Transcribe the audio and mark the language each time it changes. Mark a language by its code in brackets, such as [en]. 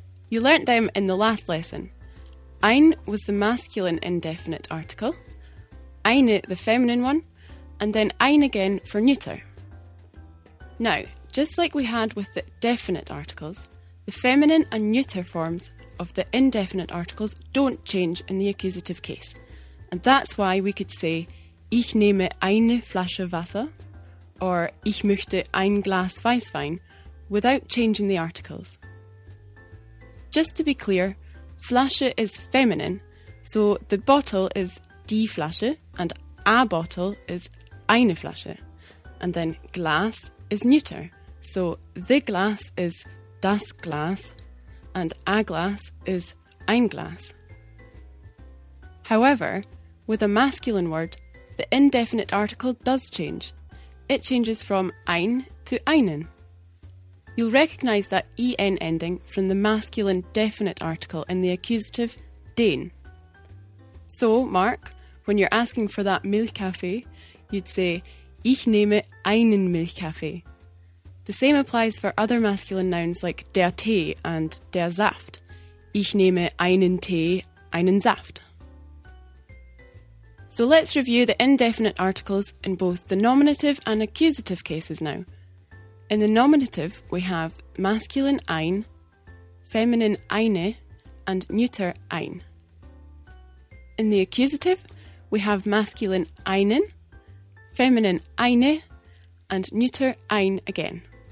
[en] You learnt them in the last lesson. Ein was the masculine indefinite article, eine the feminine one, and then ein again for neuter. Now, just like we had with the definite articles, the feminine and neuter forms of the indefinite articles don't change in the accusative case. And that's why we could say, ich nehme eine Flasche Wasser, or ich möchte ein Glas Weißwein, without changing the articles. Just to be clear, Flasche is feminine, so the bottle is die Flasche, and a bottle is eine Flasche, and then Glas is neuter, so the glass is das Glas, and a glass is ein Glas. However, with a masculine word, the indefinite article does change. It changes from ein to einen. You'll recognise that en ending from the masculine definite article in the accusative, den. So, Mark, when you're asking for that Milchkaffee, you'd say, ich nehme einen Milchkaffee. The same applies for other masculine nouns like der Tee and der Saft. [de] Ich nehme einen Tee, einen Saft. [en] So let's review the indefinite articles in both the nominative and accusative cases now. In the nominative, we have masculine ein, feminine eine, and neuter ein. In the accusative, we have masculine einen, feminine eine, and neuter ein again.